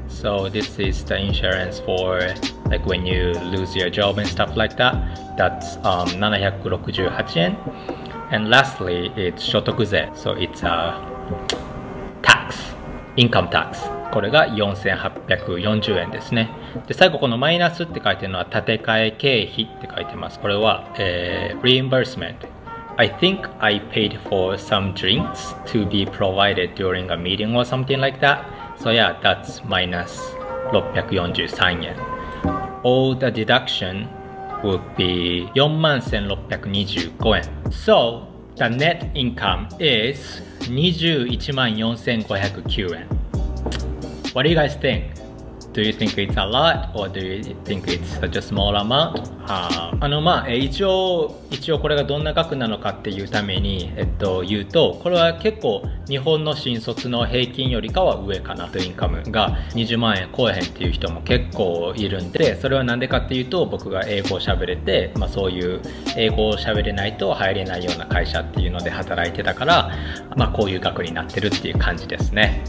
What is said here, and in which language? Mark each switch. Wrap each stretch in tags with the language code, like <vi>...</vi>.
<en>So this is the insurance for like when you lose your job and stuff like thatThat's 768 yen. And lastly, it's 所得税 So it's a tax, income tax.</en> <ja>これが4840円ですね。で最後このマイナスって書いてるのは建て替え経費って書いてます。これは、</ja> <en>reimbursement. I think I paid for some drinks to be provided during a meeting or something like that. So yeah, that's minus 643 yen. All the deductionwould be 41,625 yen. So the net income is 214,509 yen. What do you guys think? Do you think it's a lot or do you think it's such a small amount?</en> <ja>まあ一応これがどんな額なのかっていうために、言うと、これは結構日本の新卒の平均よりかは上かな。とインカムが20万円超えへんっていう人も結構いるんで、それはなんでかっていうと、僕が英語を喋れて、まあそういう英語を喋れないと入れないような会社っていうので働いてたから、まあこういう額になってるっていう感じですね。</ja>